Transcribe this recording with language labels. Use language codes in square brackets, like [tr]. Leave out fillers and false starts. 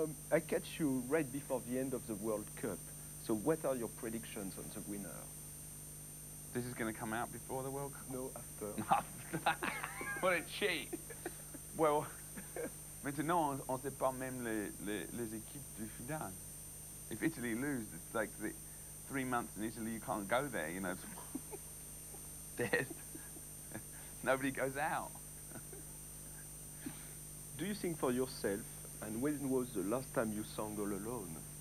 [en] I catch you right before the end of the World Cup. So what are your predictions on the winner? This is going to come out before the World Cup? No, after. What a cheat! [fr] Well, maintenant, on ne sait pas même les équipes du final. [en] If Italy lose, it's like the 3 months in Italy, you can't go there, you know, it's dead. Nobody goes out. Do you sing for yourself, and when was the last time you sang all alone?